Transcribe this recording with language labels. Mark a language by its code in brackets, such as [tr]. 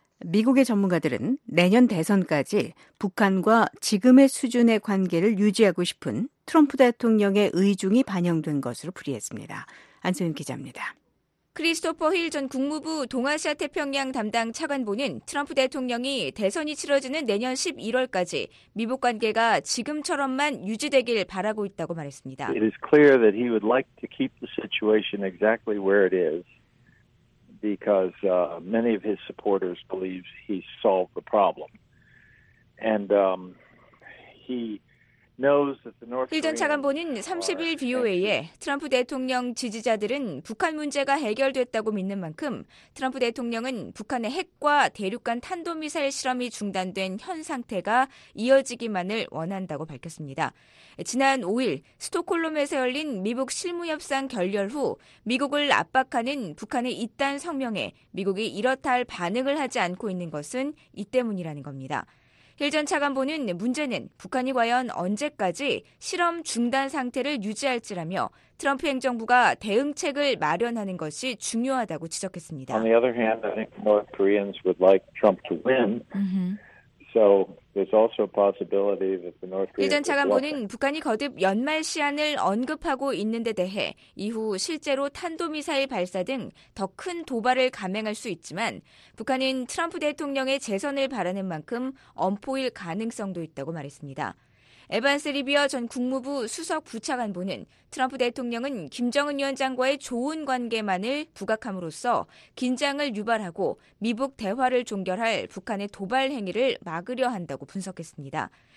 [ko] 미국의 전문가들은 내년 대선까지 북한과 지금의 수준의 관계를 유지하고 싶은 트럼프 대통령의 의중이 반영된 것으로 풀이했습니다. 안소윤 기자입니다. 크리스토퍼 힐 전 국무부 동아시아 태평양 담당 차관보는 트럼프 대통령이 대선이 치러지는 내년 11월까지 미북 관계가 지금처럼만 유지되길 바라고 있다고 말했습니다. [en] It is clear that he would like to keep the situation exactly where it is because many of his supporters believe he solved the problem. And he knows that the North [ko] 힐 전 차관보는 30일 VOA에 트럼프 대통령 지지자들은 북한 문제가 해결됐다고 믿는 만큼 트럼프 대통령은 북한의 핵과 대륙간 탄도미사일 실험이 중단된 현 상태가 이어지기만을 원한다고 밝혔습니다. 지난 5일 스톡홀름에서 열린 미국 실무협상 결렬 후 미국을 압박하는 북한의 잇단 성명에 미국이 이렇다 할 반응을 하지 않고 있는 것은 이 때문이라는 겁니다. 힐 전 차관보는 문제는 북한이 과연 언제까지 실험 중단 상태를 유지할지라며 트럼프 행정부가 대응책을 마련하는 것이 중요하다고 지적했습니다. [en] On the other hand, I think North Koreans would like Trump to win. So there's also a possibility that the North Koreans. [ko] 힐 전 차관보는 북한이 거듭 연말 시한을 언급하고 있는 데 대해 이후 실제로 탄도미사일 발사 등 더 큰 도발을 감행할 수 있지만 북한은 트럼프 대통령의 재선을 바라는 만큼 엄포일 가능성도 있다고 말했습니다. 에반스 리비어 전 국무부 수석 부차관보는 트럼프 대통령은 김정은 위원장과의 좋은 관계만을 부각함으로써 긴장을 유발하고 미북 대화를 종결할 북한의 도발 행위를 막으려 한다고 분석했습니다.